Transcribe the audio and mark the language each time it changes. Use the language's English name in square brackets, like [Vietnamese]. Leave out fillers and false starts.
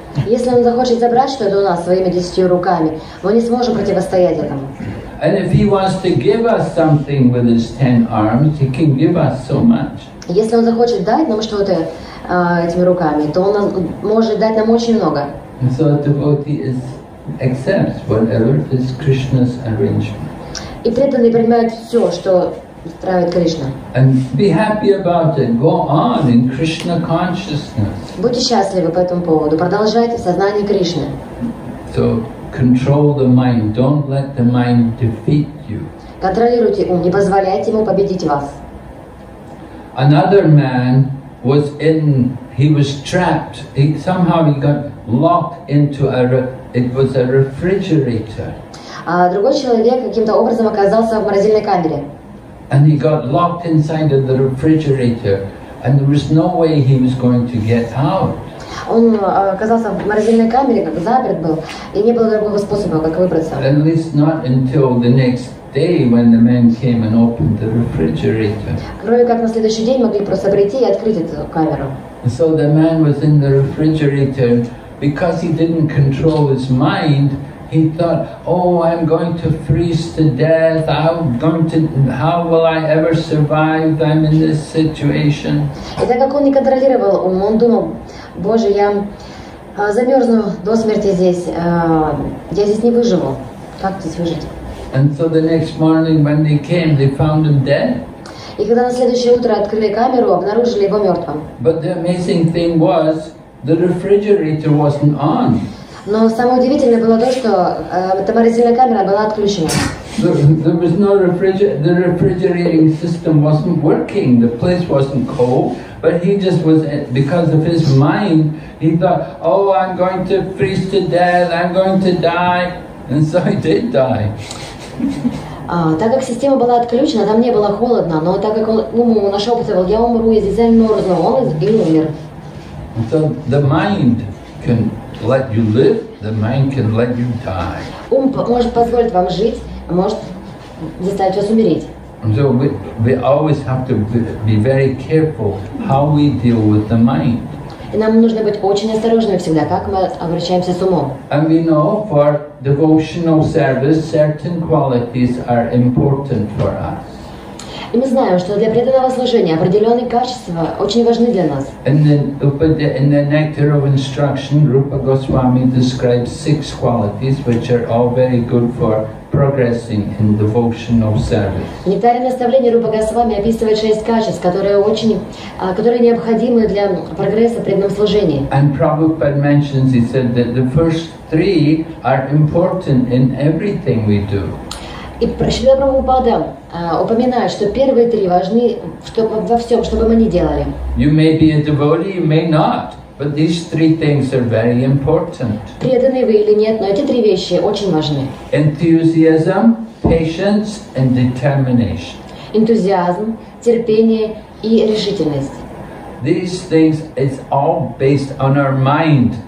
[Russian] Если он захочет забрать что-то у нас своими 10 руками, мы не сможем противостоять этому. [English] And if he wants to give us something with his 10 arms, he can give us so much. [Russian] Если он захочет дать нам что-то этими руками, то он может дать нам очень много. [English] And so the devotee accepts whatever is Krishna's arrangement. [Russian] И преданный принимает все, что устраивает Кришна. [English] And be happy about it. Go on in Krishna consciousness. [Russian] Будьте счастливы по этому поводу. Продолжайте в сознании Кришны. [English] So, control the mind. Don't let the mind defeat you. [Russian] Контролируйте ум, не позволяйте ему победить вас. [English] Another man was in. He was trapped. He got locked into a. It was a refrigerator. [Russian] А другой человек каким-то образом оказался в морозильной камере. [English] And he got locked inside of the refrigerator, and there was no way he was going to get out. [Russian] Он оказался в морозильной камере, как заперт был, и не было другого способа, как выбраться. [English] At least not until the next day when the man came and opened the refrigerator. [Russian] Кроме как на следующий день могли просто прийти и открыть эту камеру. [English] So the man was in the refrigerator because he didn't control his mind. He thought, "Oh, I'm going to freeze to death. How will I ever survive? I'm in this situation." [Russian] И так как он не контролировал ум, он думал, Боже, я замерзну до смерти здесь. Я здесь не выживу. Как здесь выжить? [English] And so the next morning, when they came, they found him dead. [Russian] И когда на следующее утро открыли камеру, обнаружили его мертвым. [English] But the amazing thing was, the refrigerator wasn't on. [Russian] Но самое удивительное было то, что эта морозильная камера была отключена. [English] There was no refrigerator. The refrigerating system wasn't working. The place wasn't cold. But he just was, because of his mind, he thought, oh, I'm going to freeze to death, I'm going to die. And so he did die. [Russian] Так как система была отключена, там не было холодно, но так как он нашептывал, я умру, я здесь замерзну, он и умер. [English] So the mind can let you live, the mind can let you die. [Russian] Ум может позволить вам жить, а может заставить вас умереть. [English] So we always have to be very careful how we deal with the mind. [Russian] И нам нужно быть очень осторожными всегда, как мы обращаемся с умом. [English] And we know for devotional service certain qualities are important for us. [Russian] И мы знаем, что для преданного служения определенные качества очень важны для нас. [English] In the Nectar of Instruction, Rupa Goswami describes 6 qualities which are all very good for progressing in devotional service. [Russian] В Нектаре наставления Рупа Госвами описывает 6 качеств, которые необходимы для прогресса в преданном служении. [English] And Prabhupada mentions, he said that the first 3 are important in everything we do. [Russian] И Шрила Прабхупада упоминает, что первые 3 важны во всем, что бы мы ни делали. [English] You may be a devotee, you may not, but these 3 things are very important. [Russian] Преданы вы или нет, но эти 3 вещи очень важны. [English] Enthusiasm, patience and determination. [Russian] Энтузиазм, терпение и решительность. [English] These things is all based on our mind.